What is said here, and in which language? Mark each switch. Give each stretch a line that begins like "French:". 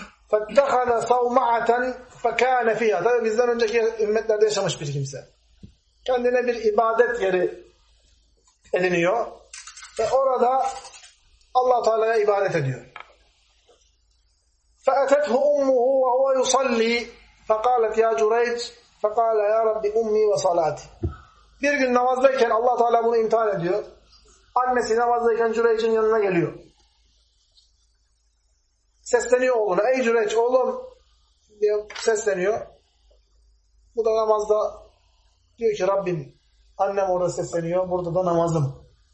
Arabic: فَتَّخَذَ صَوْمَعَةً فَكَانَ فِيهَا
Turkish: Tabii bizden önceki ümmetlerde yaşamış bir kimse. Kendine bir ibadet yeri ediniyor. Ve orada Allah-u Teala'ya ibadet ediyor.
Arabic: فَأَتَتْهُ أُمُّهُ وَهُوَ يُصَلِّي فَقَالَتْ يَا جُرَيْجْ فَقَالَ يَا رَبِّ أُمِّي وَصَلَاتِ
Turkish: Bir gün namazdayken Allah-u Teala bunu imtihan ediyor. Annesi namazdayken Cüreyc'in yanına geliyor. Sesleniyor oğluna. Ey Cüreyc oğlum diye sesleniyor. Bu da namazda diyor ki Rabbim annem orada sesleniyor. Burada da namazım.